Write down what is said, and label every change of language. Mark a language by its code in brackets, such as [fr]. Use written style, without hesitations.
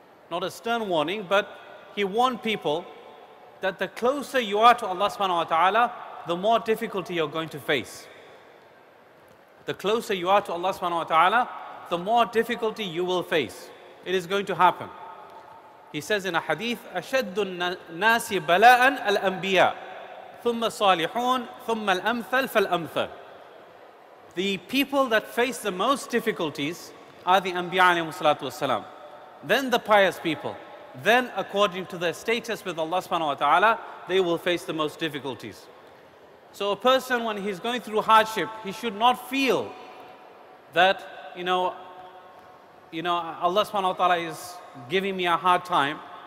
[en] Not a stern warning, but he warned people that the closer you are to Allah subhanahu wa ta'ala, the more difficulty you're going to face. The closer you are to Allah subhanahu wa ta'ala, the more difficulty you will face. It is going to happen. He says in a hadith, [ar] أَشَدُّ النَّاسِ بَلَاءً الْأَنْبِيَاء ثُمَّ الصَّالِحُونَ ثُمَّ الْأَمْثَلْ فَالْأَمْثَلْ. [en] The people that face the most difficulties are the Anbiya alayhi salatu wasalam. Then the pious people. Then according to their status with Allah subhanahu wa ta'ala, they will face the most difficulties. So a person, when he's going through hardship, he should not feel that, you know, Allah subhanahu wa ta'ala is giving me a hard time.